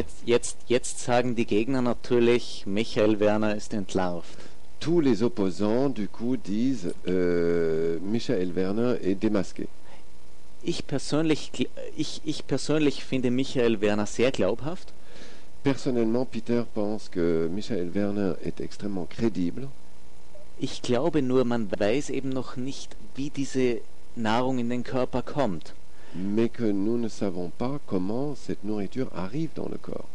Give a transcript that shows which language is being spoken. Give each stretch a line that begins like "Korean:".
German: Jetzt sagen die Gegner natürlich, Michael Werner ist entlarvt.
French: Tous les opposants, du coup, disent Michael Werner est démasqué.
German: Ich persönlich finde Michael Werner sehr glaubhaft.
French: Personnellement, Peter pense que Michael Werner est extrêmement crédible.
German: Ich glaube nur, man weiß eben noch nicht, wie diese Nahrung in den Körper kommt.
French: Mais que nous ne savons pas comment cette nourriture arrive dans le corps.